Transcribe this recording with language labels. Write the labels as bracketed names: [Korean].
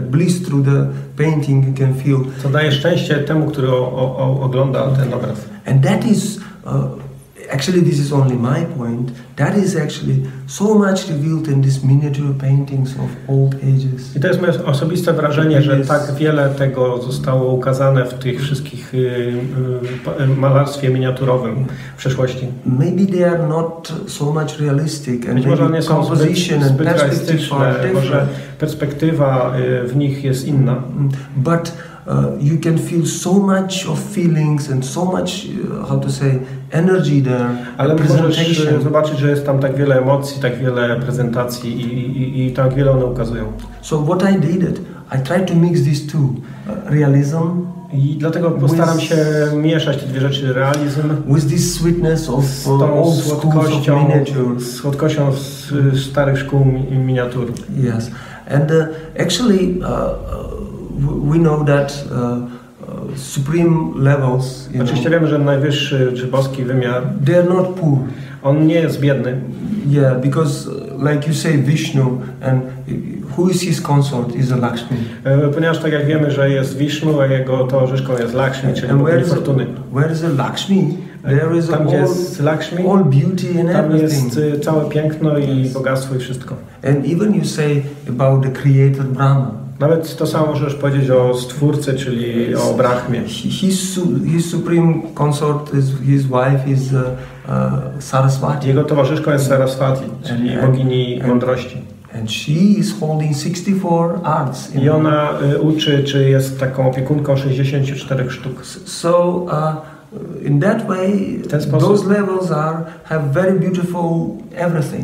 [English] Bliss through the painting you can feel. [Polish] Co daje szczęście temu, który ogląda ten obraz. [English] And that is actually this is only my point. That is actually so much revealed in these miniature paintings of old ages. [Polish] I to jest moje osobiste wrażenie, że tak wiele tego zostało ukazane w tych wszystkich malarstwie miniaturowym w przeszłości. [English] Maybe they are not so much realistic, and [Polish] może nie są zbyt realistyczne, może perspektywa w nich jest inna. [English] But you can feel so much of feelings and so much, how to say, energy there. [Polish] Ale możesz zobaczyć, że jest tam tak wiele emocji, tak wiele prezentacji i tak wiele one ukazują. [English] So what I did it, I tried to mix these two, realism. [Polish] I dlatego postaram się mieszać te dwie rzeczy, realizm [English] with this sweetness of old schools of miniature, [Polish] z słodkością starych szkół miniatur. [English] Yes, and actually we know that supreme levels. [Polish] Oczywiście wiemy, że najwyższy czy boski wymiar. [English] They are not poor. [Polish] On nie jest biedny. [English] Yeah, because like you say, Vishnu, and who is his consort? Is a Lakshmi. [Polish] Ponieważ tak jak wiemy, że jest Vishnu, a jego towarzyszką jest Lakshmi, czyli fortuny. [English] Where is the Lakshmi? There is [Polish] tam, gdzie jest Lakshmi, [English] all beauty and [Polish] tam [English] everything. [Polish] Jest całe piękno i bogactwo i wszystko. [English] And even you say about the creator Brahma. [Polish] Nawet to samo możesz powiedzieć o stwórcy, czyli o Brahmie. [English] His supreme consort is his wife is Saraswati. [Polish] Jego towarzyszką jest Saraswati, czyli bogini mądrości. [English] And she is holding 64 arts. [Polish] I ona uczy, czy jest taką opiekunką 64 sztuk. [English] So in that way, those levels have very beautiful everything.